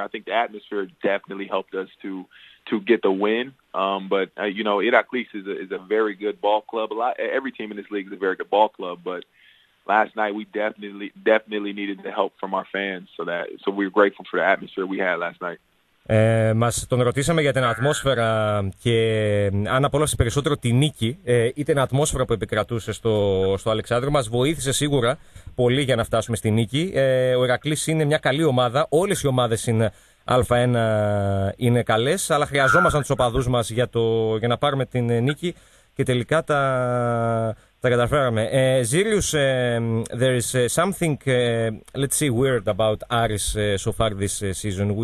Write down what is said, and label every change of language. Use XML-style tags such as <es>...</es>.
<en>I think the atmosphere definitely helped us to get the win. You know, Ηρακλή is a very good ball club. Every team in this league is a very good ball club. But last night, we definitely needed the help from our fans. So we're grateful for the atmosphere we had last night.</en> <el>Μας τον ρωτήσαμε για την ατμόσφαιρα και αν απολαύσει περισσότερο τη νίκη ή την ατμόσφαιρα που επικρατούσε στο Αλεξάνδριο. Μας βοήθησε σίγουρα πολύ για να φτάσουμε στη νίκη. Ο Ηρακλής είναι μια καλή ομάδα. Όλες οι ομάδες είναι Α1 είναι καλές, αλλά χρειαζόμασταν τους οπαδούς μας για να πάρουμε την νίκη και τελικά τα καταφέραμε.</el> <en>Xeyrius, there is something, let's say, weird about Aris so far this season.</en>